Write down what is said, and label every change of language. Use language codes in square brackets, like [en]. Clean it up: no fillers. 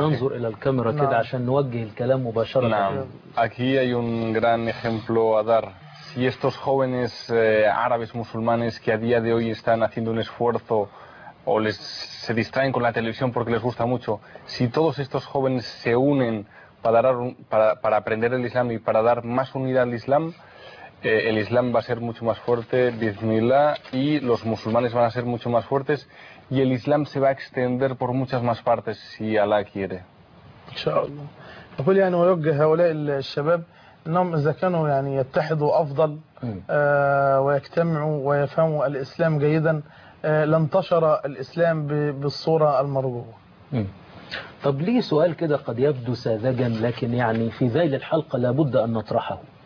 [ar] ننظر الى الكاميرا كده عشان نوجه الكلام مباشره. نعم. [es] Aquí hay un gran ejemplo a dar. Si estos jóvenes árabes musulmanes que a día de hoy están haciendo un esfuerzo o les se distraen con la televisión porque les gusta mucho, si todos estos jóvenes se unen para aprender el Islam y para dar más unidad al Islam, el Islam va a ser mucho más fuerte, bismillah, y los musulmanes van a ser mucho más fuertes, y el Islam se va a extender por muchas más partes, si Allah quiere. [ar] Inshallah. انهم اذا كانوا يعني يتحدوا افضل ويجتمعوا ويفهموا الاسلام جيدا لانتشر الاسلام بالصوره المرغوبه. طب لي سؤال كده قد يبدو ساذجا لكن يعني في ذيل الحلقه لابد ان نطرحه.